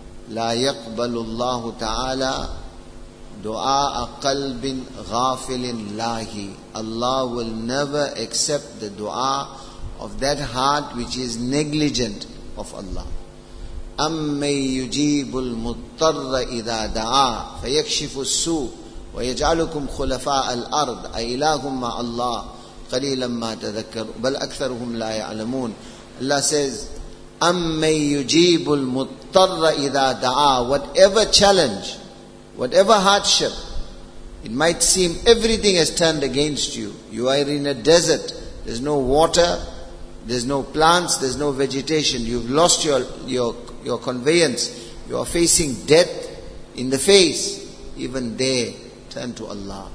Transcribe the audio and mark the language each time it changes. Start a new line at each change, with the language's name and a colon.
Arabic: لا يقبل الله تعالى دعاء قلب غافل لاهي.
English: Allah will never accept the dua of that heart which is negligent of Allah.
Arabic: أَمَّنْ يُجِيبُ الْمُضْطَرَّ إِذَا دَعَى فَيَكْشِفُ السُّوءُ وَيَجْعَلُكُمْ خُلَفَاءَ الْأَرْضِ أَإِلَهٌ مَّعَ اللَّهِ قَلِيلًا مَّا تَذَكَّرُونَ بَلْ أَكْثَرُهُمْ لَا يَعْلَمُونَ.
English: Allah says,
Arabic: أَمَّنْ يُجِيبُ الْمُضْطَرَّ إِذَا دَعَى.
English: Whatever challenge, whatever hardship, it might seem everything has turned against you. You are in a desert, there's no water, there's no plants, there's no vegetation, you've lost your your conveyance, you are facing death in the face, even there, turn to Allah.